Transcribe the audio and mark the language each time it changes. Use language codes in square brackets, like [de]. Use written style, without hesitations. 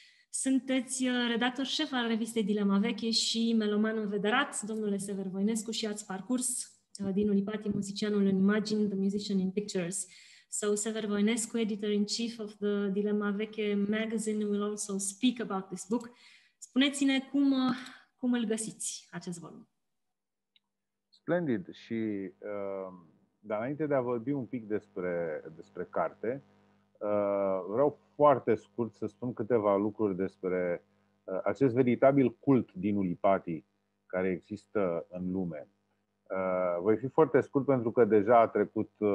[ro] Sunteți redactor șef al revistei Dilema Veche și meloman învederat, domnule Sever Voinescu, și ați parcurs Dinu Lipati, muzicianul în imagini, the musician in pictures. [en] So Sever Voinescu, editor-in-chief of the Dilema Veche magazine, will also speak about this book. [ro] Spuneți-ne cum îl găsiți, acest volum. Splendid! Și dar înainte de a vorbi un pic despre carte, vreau foarte scurt să spun câteva lucruri despre acest veritabil cult Dinu Lipati care există în lume. Voi fi foarte scurt pentru că deja a trecut